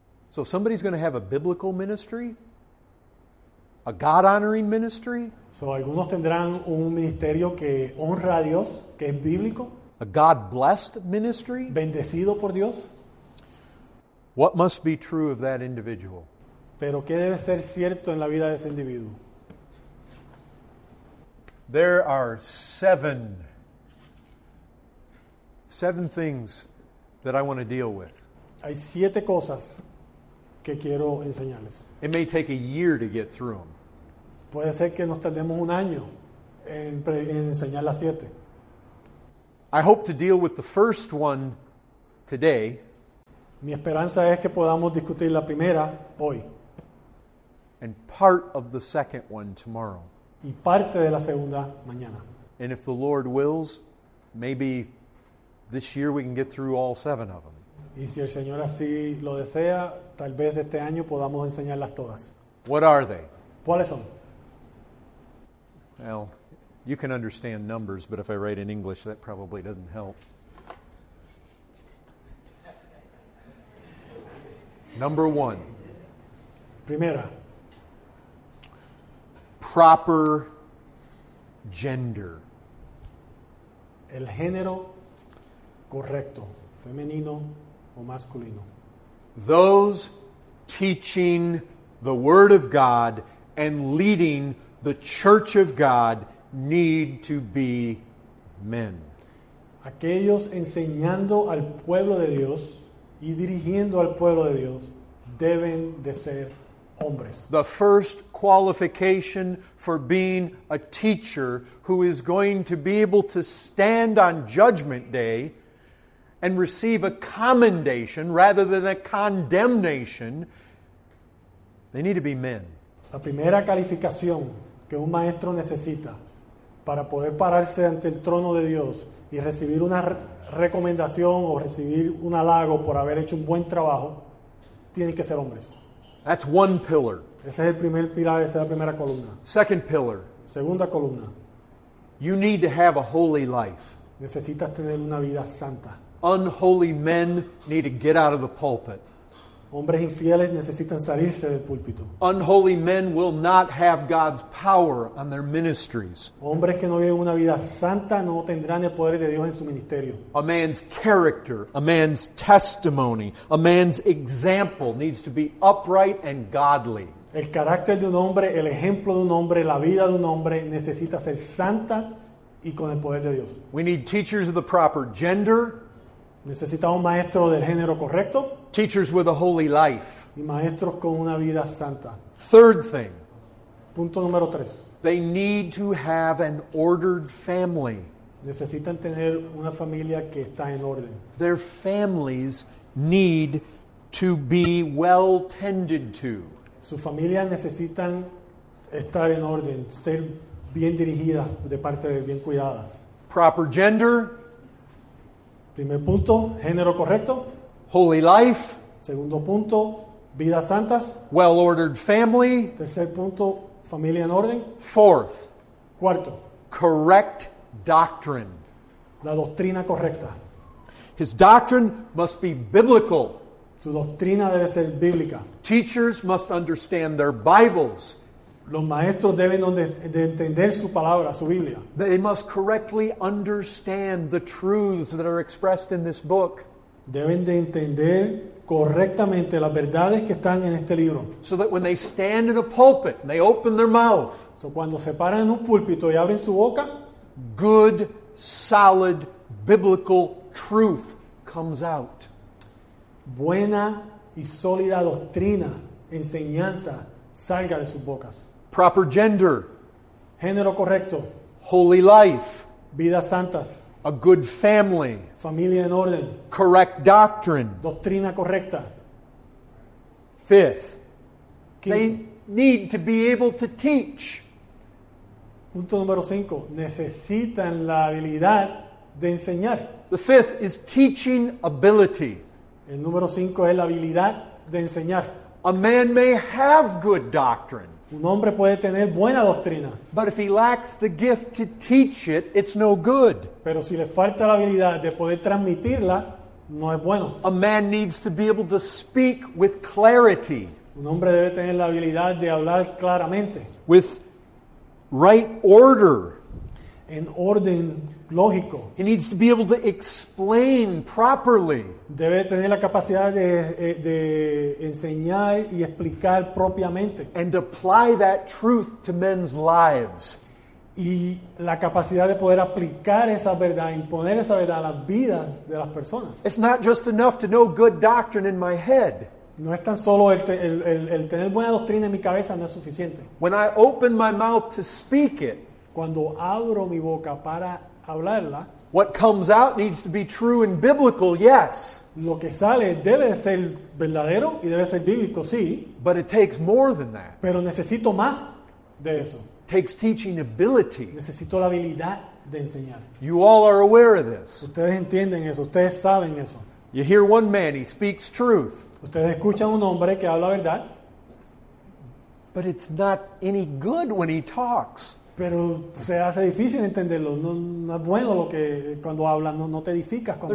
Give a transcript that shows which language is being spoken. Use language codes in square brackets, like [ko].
[en] So if somebody's going to have a biblical ministry, a God-honoring ministry, [es] so algunos tendrán un ministerio que honra a Dios, que es bíblico, [en] a God-blessed ministry, [es] bendecido por Dios. [en] What must be true of that individual? [es] Pero ¿qué debe ser cierto en la vida de ese individuo? [en] There are seven things that I want to deal with. [es] Hay siete cosas que quiero enseñarles. [en] It may take a year to get through them. [es] Puede ser que nos tardemos un año en enseñar las siete. [en] I hope to deal with the first one today. [es] Mi esperanza es que podamos discutir la primera hoy. [en] And part of the second one tomorrow. [es] Y parte de la segunda mañana. [en] And if the Lord wills, maybe this year we can get through all seven of them. [es] Y si el Señor así lo desea, tal vez este año podamos enseñarlas todas. [en] What are they? [es] ¿Cuáles son? [en] Well, you can understand numbers, but if I write in English, that probably doesn't help. Number one. [es] Primera. [en] Proper gender. [es] El género correcto, femenino o masculino. [en] Those teaching the Word of God and leading the Church of God need to be men. [es] Aquellos enseñando al pueblo de Dios y dirigiendo al pueblo de Dios deben de ser hombres. [en] The first qualification for being a teacher who is going to be able to stand on Judgment Day and receive a commendation rather than a condemnation, they need to be men. [es] La primera calificación que un maestro necesita para poder pararse ante el trono de Dios y recibir una recomendación o recibir un halago por haber hecho un buen trabajo, tienen que ser hombres. [en] That's one pillar. [es] Ese es el primer pilar, esa es la primera columna. [en] Second pillar. [es] Segunda columna. [en] You need to have a holy life. [es] Necesitas tener una vida santa. [en] Unholy men need to get out of the pulpit. [es] Hombres infieles necesitan salirse del púlpito. [en] Unholy men will not have God's power on their ministries. [es] Hombres que no viven una vida santa no tendrán el poder de Dios en su ministerio. [en] A man's character, a man's testimony, a man's example needs to be upright and godly. [es] El carácter de un hombre, el ejemplo de un hombre, la vida de un hombre necesita ser santa y con el poder de Dios. [en] We need teachers of the proper gender. [es] Necesitamos maestros del género correcto. [en] Teachers with a holy life. [es] Y maestros con una vida santa. [en] Third thing. [es] Punto número tres. [en] They need to have an ordered family. [es] Necesitan tener una familia que está en orden. [en] Their families need to be well tended to. [es] Sus familias necesitan estar en orden, ser bien dirigidas de parte de bien cuidadas. [en] Proper gender. [es] Primer punto, género correcto. [en] Holy life. [es] Segundo punto, vidas santas. [en] Well-ordered family. [es] Tercer punto, familia en orden. [en] Fourth. [es] Cuarto. [en] Correct doctrine. [es] La doctrina correcta. [en] His doctrine must be biblical. [es] Su doctrina debe ser bíblica. [en] Teachers must understand their Bibles. [es] Los maestros deben de entender su palabra, su Biblia. [en] They must correctly understand the truths that are expressed in this book. [es] Deben de entender correctamente las verdades que están en este libro. [en] So that when they stand in a pulpit and they open their mouth, [es] so cuando se paran en un púlpito y abren su boca, [en] good, solid, biblical truth comes out. [es] Buena y sólida doctrina, enseñanza, salga de sus bocas. [en] Proper gender. [es] Género correcto. [en] Holy life. [es] Vidas santas. [en] A good family. [es] Familia en orden. [en] Correct doctrine. [es] Doctrina correcta. [en] Fifth. [es] Quinto. [en] They need to be able to teach. [es] Punto número cinco. Necesitan la habilidad de enseñar. [en] The fifth is teaching ability. [es] El número cinco es la habilidad de enseñar. [en] A man may have good doctrine. [es] Un hombre puede tener buena doctrina. [en] But if he lacks the gift to teach it, it's no good. [es] Pero si le falta la habilidad de poder transmitirla, no es bueno. [en] A man needs to be able to speak with clarity. [es] Un hombre debe tener la habilidad de hablar claramente. [en] With right order. [es] En orden lógico. [en] He needs to be able to explain properly. [es] Debe tener la capacidad de enseñar y explicar propiamente. [en] And apply that truth to men's lives. [es] Y la capacidad de poder aplicar esa verdad, imponer esa verdad a las vidas de las personas. [en] It's not just enough to know good doctrine in my head. [es] No es tan solo el tener buena doctrina en mi cabeza, no es suficiente. [en] When I open my mouth to speak it, [es] cuando abro mi boca para hablarla, [en] what comes out needs to be true and biblical, yes. [es] Lo que sale debe ser verdadero y debe ser bíblico, sí. [en] But it takes more than that. [es] Pero necesito más de eso. [en] It takes teaching ability. [es] Necesito la habilidad de enseñar. [en] You all are aware of this. [es] Ustedes entienden eso, ustedes saben eso. [en] You hear one man, he speaks truth. [es] Ustedes escuchan un hombre que habla verdad. [en] But it's not any good when he talks. [es] Pero se hace difícil entenderlo. No, no es bueno lo que cuando habla, no te edificas cuando